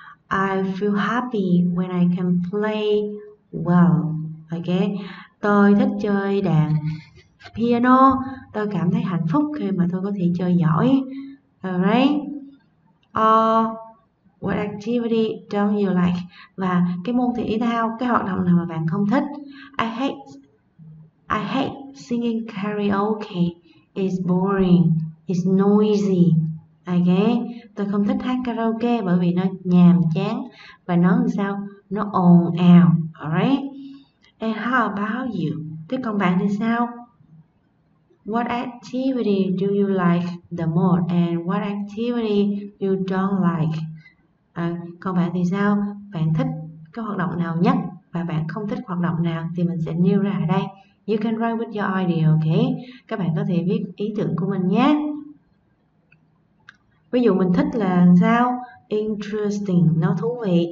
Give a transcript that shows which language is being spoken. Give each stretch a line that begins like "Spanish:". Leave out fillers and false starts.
English: I feel happy when I can play well.
Vietnamese: Okay, tôi thích chơi đàn piano. Tôi cảm thấy hạnh phúc khi mà tôi có thể chơi giỏi. Alright.
English: What activity don't you like?
Vietnamese: Và cái môn thể thao, cái hoạt động nào mà bạn không thích?
English: I hate singing karaoke. It's boring. It's noisy. Okay?
Vietnamese: Tôi không thích hát karaoke bởi vì nó nhàm chán và nó làm sao? Nó ồn ào. Alright?
English: And how about you?
Vietnamese: Thế còn bạn thì sao?
English: What activity do you like the most and what activity you don't like?
Vietnamese: Còn bạn thì sao? Bạn thích cái hoạt động nào nhất và bạn không thích hoạt động nào thì mình sẽ nêu ra ở đây.
English: You can write with your idea, okay?
Vietnamese: Các bạn có thể viết ý tưởng của mình nhé. Ví dụ mình thích là sao? Interesting, nó thú vị.